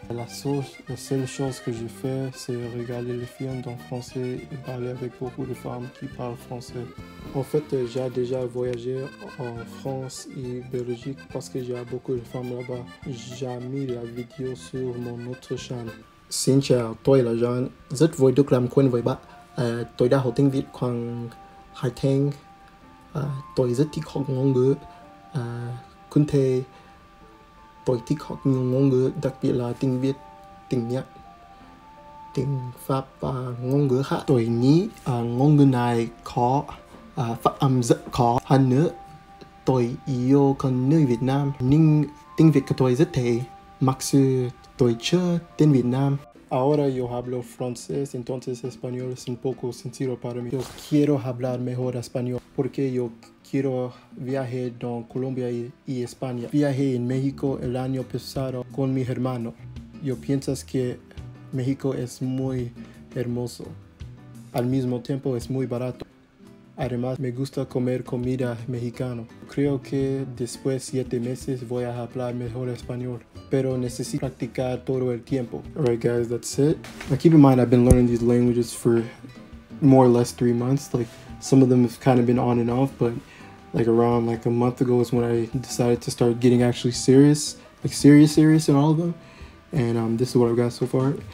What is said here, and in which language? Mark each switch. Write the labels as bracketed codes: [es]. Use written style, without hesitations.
[fr] La seule chose que je fais, c'est regarder les films en français et parler avec beaucoup de femmes qui parlent français. En fait, j'ai déjà voyagé en France et Belgique parce que j'ai beaucoup de femmes là-bas. J'ai mis la vidéo sur mon autre chaîne. [vi] Xin chào, tôi là John. Rất vui được làm quen với bạn. Tôi đã học tiếng Việt khoảng 2 tháng. Tôi rất thích học ngôn ngữ. Cũng thế, tôi thích học nhiều ngôn ngữ, đặc biệt là tiếng Việt, tiếng Nhật, tiếng Pháp và ngôn ngữ khác. Tôi nghĩ ngôn ngữ này khó, phát âm rất khó. Hơn nữa, tôi yêu con người Việt Nam, nhưng tiếng Việt của tôi rất thế, mặc dù tôi chưa tên Việt Nam. [es] Ahora yo hablo francés, entonces español es un poco sencillo para mí. Yo quiero hablar mejor español porque yo quiero viajar en Colombia y España. Viajé en México el año pasado con mi hermano. Yo pienso que México es muy hermoso. Al mismo tiempo es muy barato. Además me gusta comer comida mexicana. Creo que después de 7 meses voy a hablar mejor español. Pero necesito practicar todo el tiempo. [en] Alright guys, that's it. Now keep in mind I've been learning these languages for more or less 3 months. Like some of them have kind of been on and off, but like around like a month ago is when I decided to start getting actually serious. Like serious in all of them. And this is what I've got so far.